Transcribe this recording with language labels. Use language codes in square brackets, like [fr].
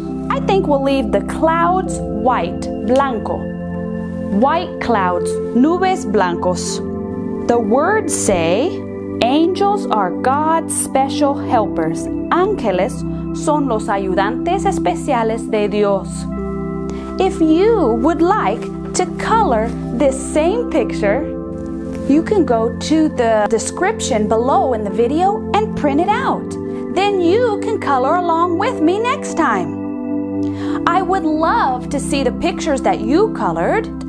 [en] I think we'll leave the clouds white, [es] blanco. [en] White clouds, [es] nubes blancos. [en] The words say, angels are God's special helpers. [es] Ángeles son los ayudantes especiales de Dios. [en] If you would like to color this same picture, you can go to the description below in the video and print it out. Then you can color along with me next time. I would love to see the pictures that you colored.